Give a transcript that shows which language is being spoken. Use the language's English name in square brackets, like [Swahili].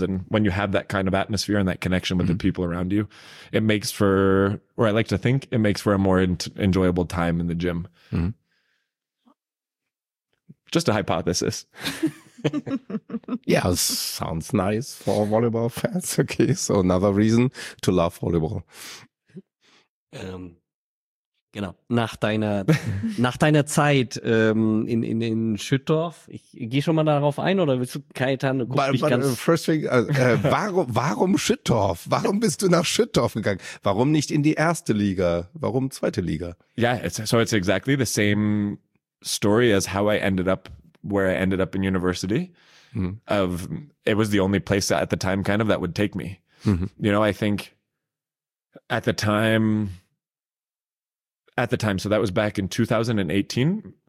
[English] And when you have that kind of atmosphere and that connection with the people around you, it makes for, or I like to think it makes for a more enjoyable time in the gym. Just a hypothesis. Yeah, sounds nice for volleyball fans. Okay, so another reason to love volleyball. [German] Genau, nach deiner Zeit in Schüttorf, ich gehe schon mal darauf ein, oder willst du, Kaitan, du guckst mich ganz... [English] First thing, [German] warum Schüttorf? Warum bist du nach Schüttorf gegangen? Warum nicht in die erste Liga? Warum zweite Liga? [English] It's exactly the same story as how I ended up where I ended up in university. It was the only place at the time kind of that would take me. You know, I think at the time, so that was back in 2018.